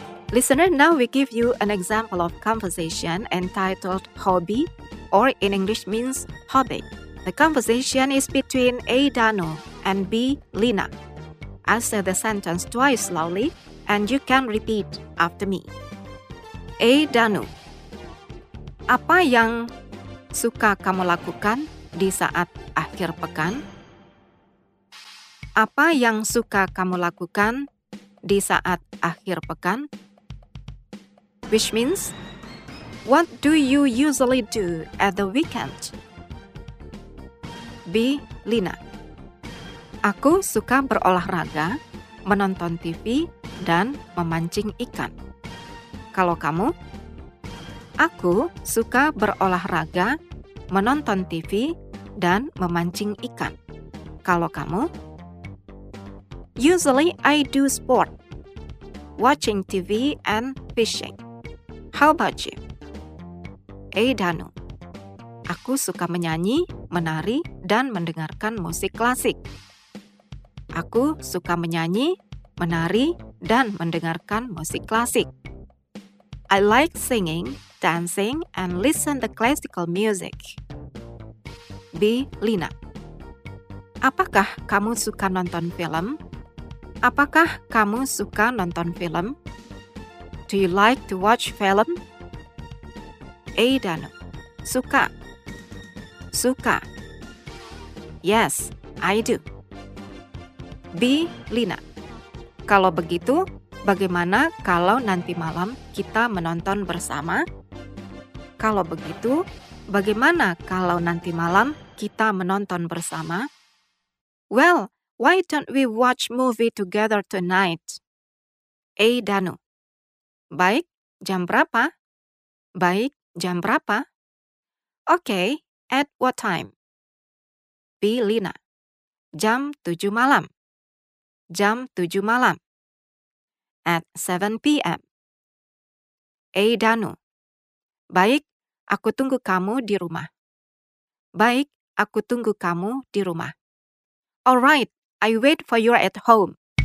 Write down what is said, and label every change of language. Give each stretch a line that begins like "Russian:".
English: Listener, now we give you an example of conversation entitled hobby, or in English means hobby. The conversation is between A. Dano and B. Lina. I'll say the sentence twice slowly, and you can repeat after me. A. Danu.
Indonesian: Apa yang suka kamu lakukan di saat akhir pekan? Apa yang suka kamu lakukan di saat akhir pekan?
English: Which means, what do you usually do at the weekend?
Indonesian: B. Lina. Aku suka berolahraga, menonton TV, dan memancing ikan. Kalau kamu? Aku suka berolahraga, menonton TV, dan memancing ikan. Kalau kamu?
English: Usually I do sport, watching TV and fishing. How about you? A. Danu.
Indonesian: Aku suka menyanyi, menari, dan mendengarkan musik klasik. Aku suka menyanyi, menari, dan mendengarkan musik klasik.
English: I like singing, dancing, and listen the classical music. B. Lina.
Indonesian: Apakah kamu suka nonton film? Apakah kamu suka nonton film?
English: Do you like to watch film?
Indonesian: A. Danu. Suka. Suka.
English: Yes, I do. B. Lina.
Indonesian: Kalau begitu, bagaimana kalau nanti malam kita menonton bersama? Kalau begitu, bagaimana kalau nanti malam kita menonton bersama?
English: Well, why don't we watch movie together tonight?
Indonesian: A. Danu. Baik, jam berapa? Baik, jam berapa?
English: Okay, at what time? B. Lina.
Indonesian: Jam 7 malam. Jam 7 malam.
English: At 7 p.m. A. Danu.
Indonesian: Baik, aku tunggu kamu di rumah. Baik, aku tunggu kamu di rumah.
English: Alright, I wait for you at home.